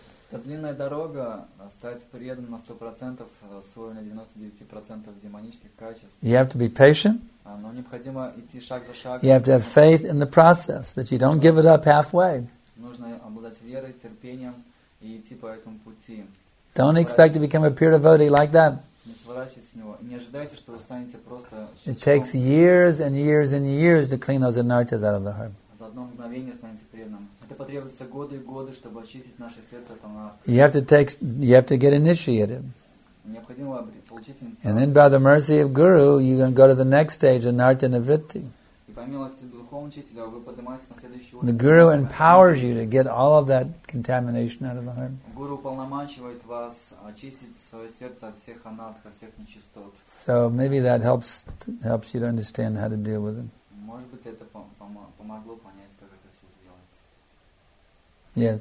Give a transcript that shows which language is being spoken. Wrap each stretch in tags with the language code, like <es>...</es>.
<ru>Та длинная дорога стать преданным на 100% с уровня 99% демонических качеств.</ru> <en>You have to be patient.</en> <ru>Но необходимо идти шаг за шагом.</ru> <en>You have to have faith in the process, that you don't give it up halfway.</en> <ru>Нужно обладать верой, терпением и идти по этому пути.</ru> <en>Don't expect to become a pure devotee like that.</en> <ru>Не сворачивайте с него. Не ожидайте, что вы станете просто.</ru> <en>It takes years and years and years to clean those anarthas out of the heart.</en> <ru>За одно мгновение станете преданным. Это потребуется годы и годы, чтобы очистить наше сердце от анарт.</ru> <en>You have to get initiated.</en> <ru>Необходимо получить инициацию.</ru> <en>And then by the mercy of Guru, you can go to the next stage, anarta nivritti.</en> <ru>И по милости духовного учителя вы поднимаетесь на следующий уровень.</ru> <en>The Guru empowers you to get all of that contamination out of the heart.</en> <ru>Гуру уполномачивает вас очистить свое сердце от всех анарт, от всех нечистот.</ru> <en>So maybe that helps you to understand how to deal with it.</en> <ru>Может быть, это помогло понять, как это все сделать.</ru>